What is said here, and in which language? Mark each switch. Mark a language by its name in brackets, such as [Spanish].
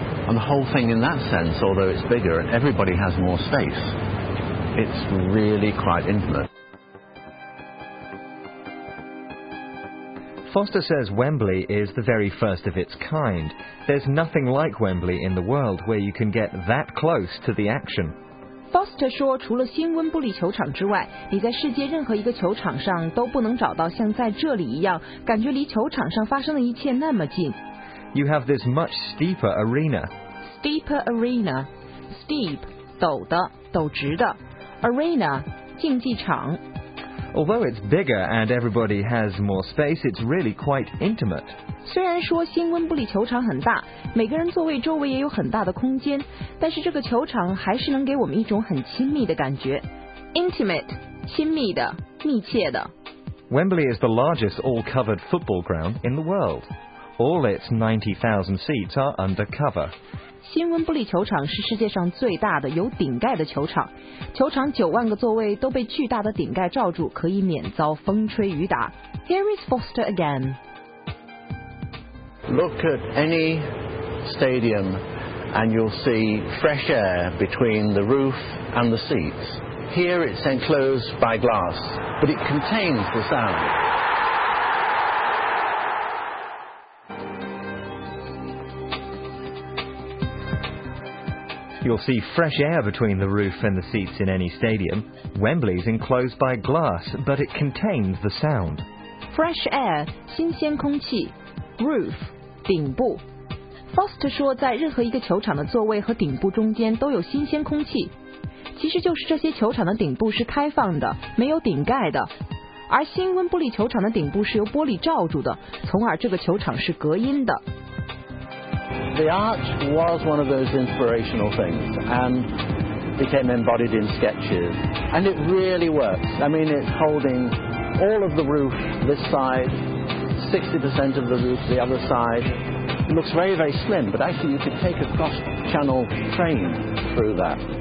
[English] And the whole thing in that sense, although it's bigger and everybody has more space, it's really quite intimate. Foster says Wembley is the very first of its kind. There's nothing like Wembley in the world where you can get that close to the action. [Chinese] Foster 说，除了新温布利球场之外，你在世界任何一个球场上都不能找到像在这里一样，感觉离球场上发生的一切那么近。 [English] You have this much steeper arena. Steeper arena. Steep, [Chinese] 陡的，陡直的。 Arena, 竞技场。 [English] Although it's bigger and everybody has more space, it's really quite intimate. [Chinese] 虽然说新温布利球场很大，每个人座位周围也有很大的空间，但是这个球场还是能给我们一种很亲密的感觉。 Intimate, 亲密的，密切的。 [English] Wembley is the largest all-covered football ground in the world. All its 90,000 seats are undercover. [Chinese] 新温布利球场是世界上最大的有顶盖的球场。球场九万个座位都被巨大的顶盖罩住，可以免遭风吹雨打。 [English] Here is Foster again. Look at any stadium and you'll see fresh air between the roof and the seats. Here it's enclosed by glass, but it contains the sound. You'll see fresh air between the roof and the seats in any stadium. Wembley's enclosed by glass, but it contains the sound. [Chinese] Fresh air, 新鲜空气 Roof, 顶部 Foster 说在任何一个球场的座位和顶部中间都有新鲜空气。其实就是这些球场的顶部是开放的，没有顶盖的。而新温布利球场的顶部是由玻璃罩住的，从而这个球场是隔音的。 [English] The arch was one of those inspirational things and became embodied in sketches. And it really works. I mean, it's holding all of the roof this side, 60% of the roof the other side. It looks very, very slim, but actually you could take a cross-channel train through that.